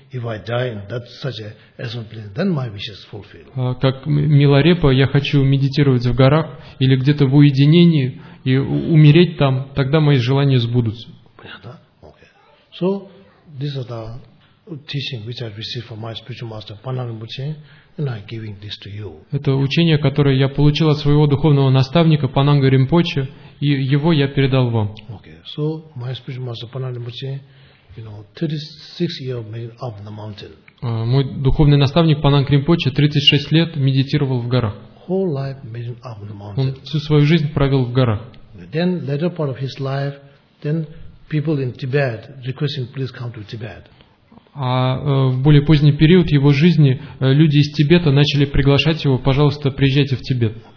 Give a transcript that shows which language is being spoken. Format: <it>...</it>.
<en>If I die in that such a isolation place, then my wishes fulfill.</en> <ru>Как Миларепа, я хочу медитировать в горах или где-то в уединении и умереть там, тогда мои желания сбудутся. Понятно?</ru> <en>Okay. So this is the teaching which I received from my spiritual master Panarambuche, and I'm giving this to you.</en> <ru>Это учение, которое я получил от своего духовного наставника Пананга Ринпоче, и его я передал вам.</ru> <en>Okay, so my spiritual master Panarambuche, you know, 36 years made up in the mountain.</en> <ru>Мой духовный наставник Пананг Ринпоче 36 лет медитировал в горах.</ru> <en>Whole life made up in the mountain.</en> <ru>Он всю свою жизнь провел в горах.</ru> <en>Then later part of his life, then people in Tibet requesting, please come to Tibet.</en> <ru>А в более поздний период его жизни люди из Тибета начали приглашать его: пожалуйста, приезжайте в Тибет.</ru>